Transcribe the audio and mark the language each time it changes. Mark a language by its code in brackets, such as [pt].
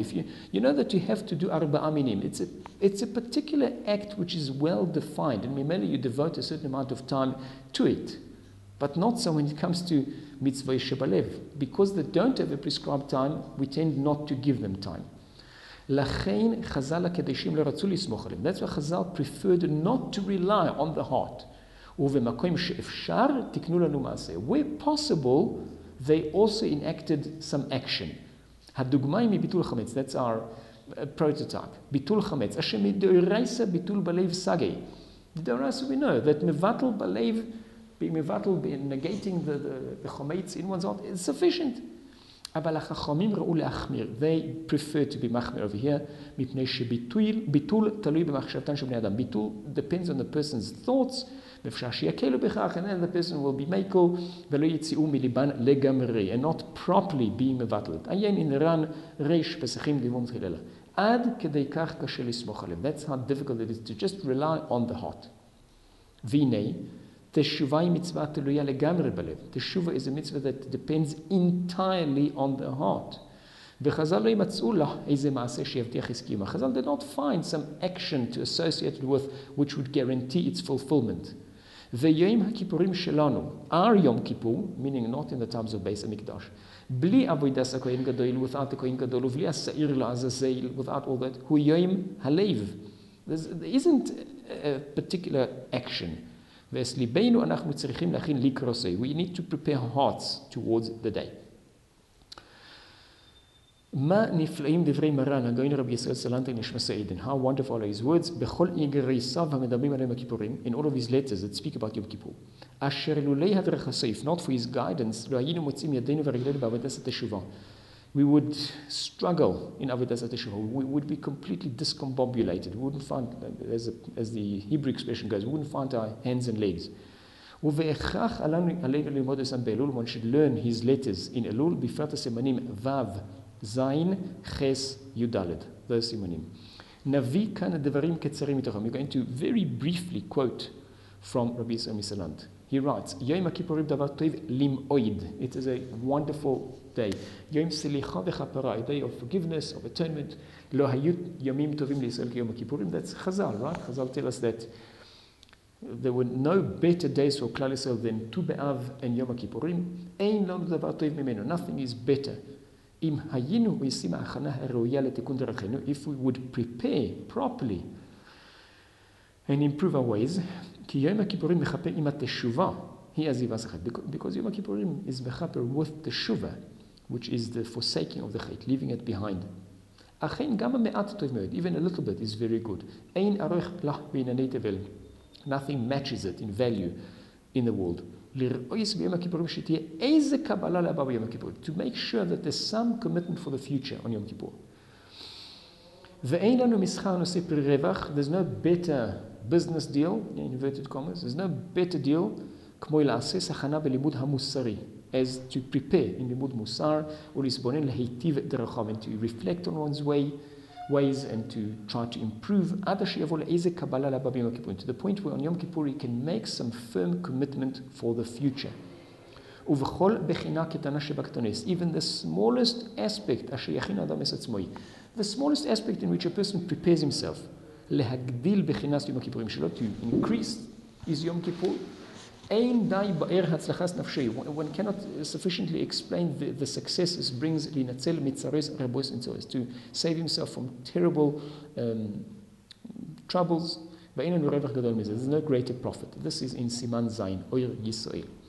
[en] If you know that you have to do ארבעה מינים, it's a particular act which is well defined, and maybe you devote a certain amount of time to it, but not so when it comes to מצווי שבלב, because they don't have a prescribed time, we tend not to give them time. [he] לכן חזל הקדשים לא רצו לסמוך עליהם. [en] That's why חזל preferred not to rely on the heart. [he] ובמקום שאפשר, תקנו לנו מעשה. [en] Where possible, they also enacted some action. [he] הדוגמה היא מביטול חמץ. [en] That's our prototype. [he] ביטול חמץ. אשר מדאורייסא ביטול בלב סגי. [en] דאורייסא, we know that [he] מבטל בלב, [en] being מבטל, negating the חמץ in one's heart, is sufficient. [he] אבל החכמים ראו להחמיר. [en] They prefer to be מחמיר over here, [he] מפני שביטול תלוי במחשבתן של בני אדם. [en] ביטול depends on the person's thoughts, [he] ואפשר שיקלו בכך, [en] and then the person will be מייקו, [he] ולא יציאו מליבן לגמרי, [en] and not properly being מבטלת. [he] עיין אין רן ריש פסחים דימום תחיללה. עד כדי כך קשה לסמוך עליהם. [en] That's how difficult it is to just rely on the heart. [he] והנה, תשובה היא מצווה תלויה לגמרי בלב. [en] תשובה is a mitzvah that depends entirely on the heart. [he] וחזל לא ימצאו לה איזה מעשה שיבטיח הסכימה. [en] חזל did not find some action to associate it with which would guarantee its fulfillment. [he] ויום הכיפורים שלנו, our יום כיפור, [en] meaning not in the times of [he] בייס המקדש, בלי עבודת הכהן גדול, [en] without the [he] כהן גדול, ובלי השעיר לעזאזל, [en] without all that, [he] הוא יום הלב. [en] There isn't a particular action. [he] ואס ליבנו אנחנו צריכים להכין לקרוסי. [en] We need to prepare our hearts towards the day. [he] מה נפלאים דברי מרן, הגאון רבי ישראל סלנטר נשמס עדן. [en] How wonderful are his words. בכל אגריסיו המדברים עליהם הכיפורים, in all of his letters that speak about יום כיפור. [he] אשר לולי הדרך הסי, [en] if not for his guidance, [he] לא היינו מוצאים ידינו ורגלינו בעבודת התשובה. [en] We would struggle in עבודת התשובה. We would be completely discombobulated. We wouldn't find, as the Hebrew expression goes, we wouldn't find our hands and legs. [he] ובהכרח עלינו ללמוד אותם באלול, [en] one should learn his letters in [he] אלול, בפרט הסימנים וו, זין, חס, יודלד. זה הסימנים. נביא כאן הדברים קצרים מתוכם. [en] We're going to very briefly quote from Rabbi Yisrael Miselant. He writes, [he] יום הכיפורים דבר טוב למועד. [en] It is a wonderful day. [he] יום סליחה וכפרה, [en] a day of forgiveness, of atonement. [he] לא היו ימים טובים לישראל כיום הכיפורים. [en] That's חזל, right? חזל tell us that there were no better days for כלל ישראל than ט"ו באב and יום הכיפורים. [he] אין לנו דבר טוב ממנו. [en] Nothing is better. [he] אם היינו עושים ההכנה הראויה לתיקון דרכנו, [en] if we would prepare properly and improve our ways, [he] כי יום הכיפורים מחפה עם התשובה, היא עזיבה זכת. [en] Because יום הכיפורים is מחפה with תשובה, which is the forsaking of the chait, leaving it behind. [he] אכן גם המעט טוב מאוד, [en] even a little bit, is very good. [he] אין ערך לה בענייני תבל. [en] Nothing matches it in value in the world. [he] לראות ביום הכיפורים שתהיה איזה קבלה לבא ביום הכיפורים. [en] To make sure that there's some commitment for the future on יום כיפור. [he] ואין לנו מסחר נושא פרי רווח. [en] There's no better business deal, in inverted commas. There's no better deal [he] כמו לעשה סחנה בלימוד המוסרי. [en] As to prepare in [he] לימוד מוסר ולסבונן להיטיב את דרכם. [en] And to reflect on one's ways and to try to improve [he] עד שיבוא לאיזה קבלה לבא ביום הכיפורים. [en] To the point where on יום כיפור you can make some firm commitment for the future. [he] ובכל בחינה קטנה שבקטנס, [en] even the smallest aspect [he] אשר יכין אדם את עצמו, [en] the smallest aspect in which a person prepares himself, [he] להגדיל בחינת יום הכיפורים שלו, [en] to increase is יום כיפור, [he] אין די באר הצלחת נפשי, [en] one cannot sufficiently explain the success it brings, [he] להינצל מצרס רבוס אינצרס, [en] to save himself from terrible troubles, [he] ואין לנו רווח גדול מזה, [en] there's no greater profit, this is in סימן זין, אויר ישראל.